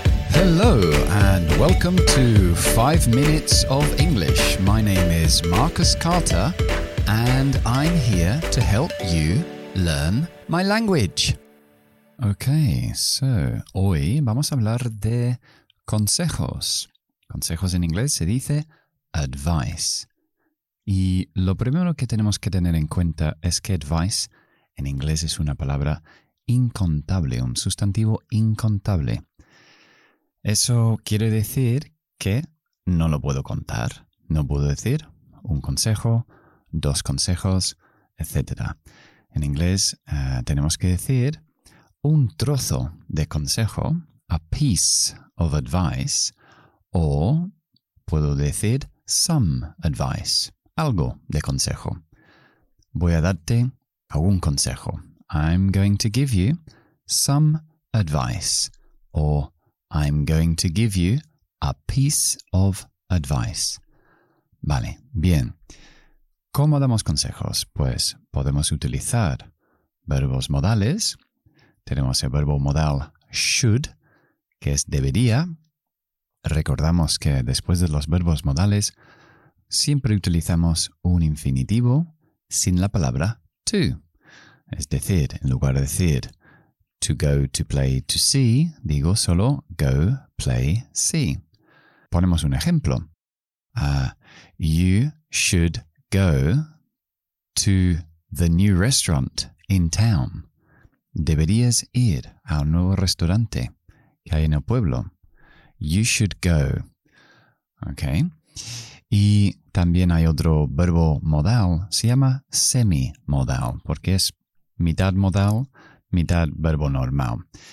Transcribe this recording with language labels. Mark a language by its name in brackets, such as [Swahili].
[English] Hello and welcome to 5 Minutes of English. My name is Marcus Carter and I'm here to help you learn my language. Okay, so [Spanish] hoy vamos a hablar de consejos. Consejos en inglés se dice advice. Y lo primero que tenemos que tener en cuenta es que advice en inglés es una palabra incontable, un sustantivo incontable. Eso quiere decir que no lo puedo contar. No puedo decir un consejo, dos consejos, etc. En inglés tenemos que decir un trozo de consejo, [English] a piece of advice, [Spanish] o puedo decir [English] some advice, [Spanish] algo de consejo. Voy a darte algún consejo. [English] I'm going to give you some advice, o I'm going to give you a piece of advice. [Spanish] Vale, bien. ¿Cómo damos consejos? Pues podemos utilizar verbos modales. Tenemos el verbo modal should, que es debería. Recordamos que después de los verbos modales siempre utilizamos un infinitivo sin la palabra to. Es decir, en lugar de decir [English] to go, to play, to see, [Spanish] digo solo [English] go, play, see. [Spanish] Ponemos un ejemplo. [English] You should go to the new restaurant in town. [Spanish] Deberías ir al nuevo restaurante que hay en el pueblo. [English] You should go. Okay. [Spanish] Y también hay otro verbo modal, se llama semi-modal, porque es mitad modal, mitad verbo normal.